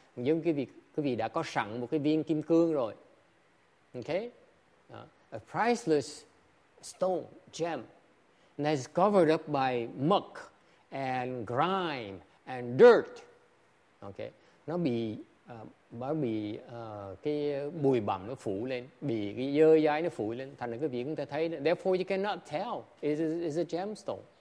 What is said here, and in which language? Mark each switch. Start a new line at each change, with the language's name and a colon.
Vietnamese: Giống quý vị đã có sẵn một cái viên kim cương rồi.
English: Okay, a priceless stone gem that is covered up by muck and grime and dirt. Okay.
Vietnamese: Nó bị cái bụi bặm nó phủ lên, bị cái dơ dãi nó phủ lên, thành ra cái việc chúng ta thấy,
English: therefore you cannot tell is a gemstone.